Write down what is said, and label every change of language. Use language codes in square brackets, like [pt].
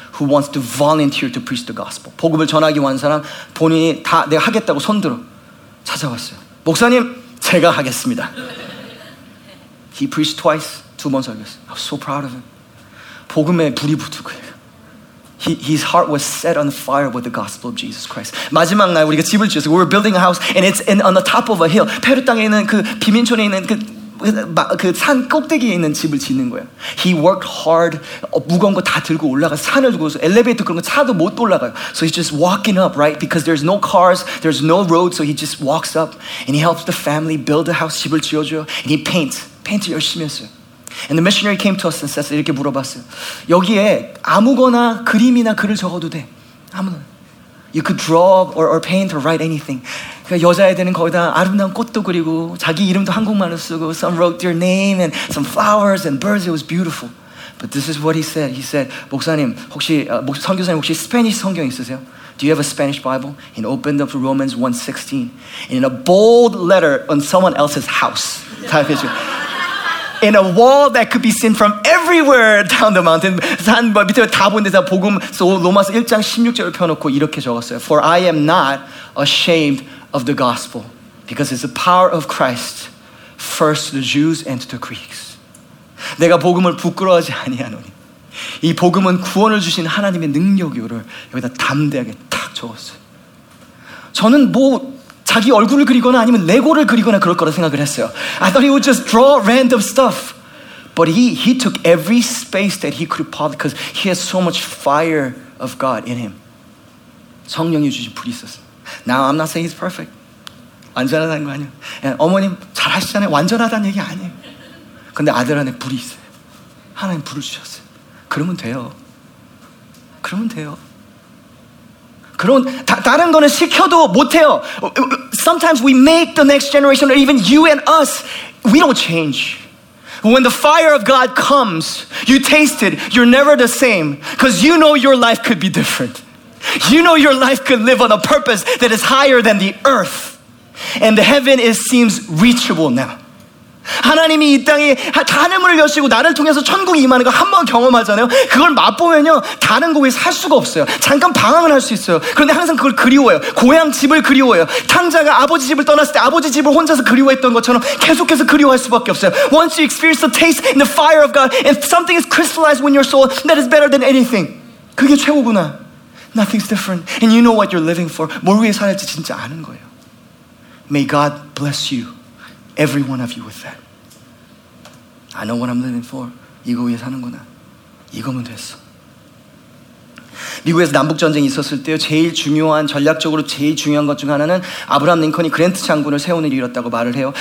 [en] Who wants to volunteer to preach the gospel. [ko] 복음을 전하기 원하는 사람 본인이 다 내가 하겠다고 손들어 찾아왔어요. 목사님 제가 하겠습니다. [en] He preached twice. [ko] 두 번 설교했어요. [en] I was so proud of him. [ko] 복음에 불이 붙을 거예요. [en] His heart was set on fire with the gospel of Jesus Christ. [ko] 마지막 날 우리가 집을 지었어요. [en] We were building a house and it's on the top of a hill. [ko] 페루 땅에 있는 그 비민촌에 있는 그 산 꼭대기에 있는 집을 짓는 거예요. [en] He worked hard. [ko] 무거운 거 다 들고 올라가 산을 들고서 엘리베이터 그런 거 차도 못 올라가요. [en] So he's just walking up, right? Because there's no cars, there's no road, so he just walks up and he helps the family build a house, [ko] 집을 지어줘요. [en] And he paints. [ko] 페인트 열심히 했어요. [en] And the missionary came to us and said, [ko] 이렇게 물어봤어요. 여기에 아무거나 그림이나 글을 적어도 돼. 아무거나. [en] You could draw or paint or write anything. [ko] 그러니까 여자애들은 거기다 아름다운 꽃도 그리고 자기 이름도 한국말로 쓰고 [en] some wrote their name and some flowers and birds. It was beautiful. But this is what he said. He said, [ko] 목사님, 혹시 선교사님 혹시 스페니쉬 성경 있으세요? [en] Do you have a Spanish Bible? He opened up Romans 1:16. And in a bold letter on someone else's house. In a wall that could be seen from everywhere down the mountain. [ko] 산 밑에 다 보는데 다 복음 로마서 1장 16절을 펴놓고 이렇게 적었어요. [en] For I am not ashamed of the gospel because it's the power of Christ first to the Jews and to the Greeks. [ko] 내가 복음을 부끄러워하지 아니하노니 이 복음은 구원을 주신 하나님의 능력이오를 여기다 담대하게 탁 적었어요. 저는 뭐 자기 얼굴을 그리거나 아니면 레고를 그리거나 그럴 거라 생각을 했어요. [en] I thought he would just draw random stuff. But he took every space that he could possibly because he has so much fire of God in him. [ko] 성령이 주신 불이 있었어요. [en] Now I'm not saying he's perfect. [ko] 완전하다는 거 아니에요. 어머님 잘하시잖아요. 완전하다는 얘기 아니에요. 근데 아들 안에 불이 있어요. 하나님 불을 주셨어요. 그러면 돼요. 그러면 돼요. 그런 다른 거는 시켜도 못해요. [en] Sometimes we make the next generation or even you and us, we don't change. When the fire of God comes, you taste it, you're never the same because you know your life could be different. You know your life could live on a purpose that is higher than the earth. And the heaven is, seems reachable now. [ko] 하나님이 이 땅에 하늘문을 여시고 나를 통해서 천국이 임하는 거 한번 경험하잖아요. 그걸 맛보면요 다른 곳에 살 수가 없어요. 잠깐 방황을 할 수 있어요. 그런데 항상 그걸 그리워요. 고향 집을 그리워요. 탕자가 아버지 집을 떠났을 때 아버지 집을 혼자서 그리워했던 것처럼 계속해서 그리워할 수밖에 없어요. [en] Once you experience the taste and the fire of God and something is crystallized in your soul that is better than anything. [ko] 그게 최고구나. [en] Nothing's different. And you know what you're living for. [ko] 뭘 위해 살지 진짜 아는 거예요. [en] May God bless you. Every one of you with that. I know what I'm living for. [ko] 이거 위해 사는구나. 이거면 됐어. 미국에서 남북전쟁이 있었을 때요. 제일 중요한, 전략적으로 제일 중요한 것 중 하나는 아브라함 링컨이 그랜트 장군을 세우는 일이었다고 말을 해요.